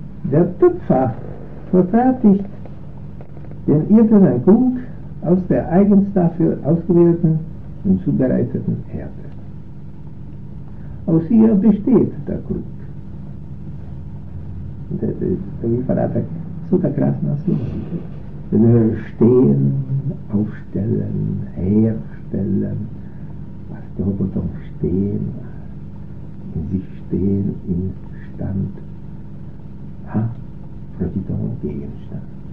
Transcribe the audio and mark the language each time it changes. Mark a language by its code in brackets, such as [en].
[de] Der Töpfer verfertigt den irdenen Krug aus der eigens dafür ausgewählten und zubereiteten Erde. Aus ihr besteht der Krug. [cs] To vypadá tak, jsou tak krásná slova. [de] Stehen, aufstellen, herstellen, [cs] a z toho potom [de] stehen, in sich stehen, in stand, [cs] a proti tomu [de] gegenstand.